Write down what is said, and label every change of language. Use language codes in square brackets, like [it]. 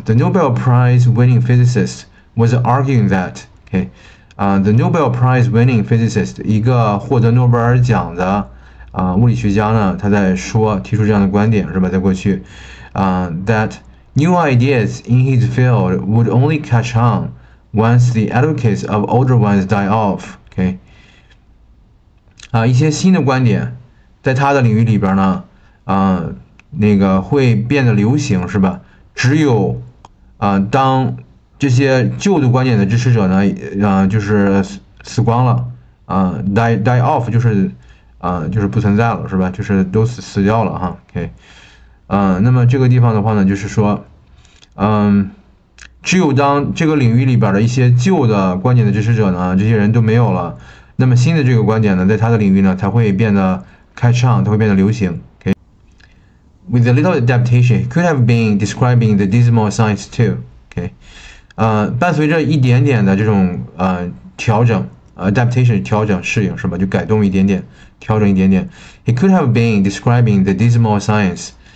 [en] The Nobel Prize winning physicist was arguing that, okay, the Nobel Prize winning physicist [zh] 一个获得诺贝尔奖的物理学家呢，他在说提出这样的观点是吧？在过去。 [en] That new ideas in his field would only catch on once the advocates of older ones die off. Okay. [zh] 一些新的观点在他的领域里边呢，那个会变得流行是吧？只有当这些旧的观点的支持者呢，就是死光了，die off 就是就是不存在了是吧？就是都死掉了哈。Okay. 那么这个地方的话呢，就是说，只有当这个领域里边的一些旧的观点的支持者呢，这些人都没有了，那么新的这个观点呢，在他的领域呢，才会变得开唱，它会变得流行。 [en] Okay. With a little adaptation, could have been describing the dismal science too. Okay. [zh] 伴随着一点点的这种调整。 Adaptation 调整适应是吧？就改动一点点，调整一点点。 [en] It could have been describing the dismal science.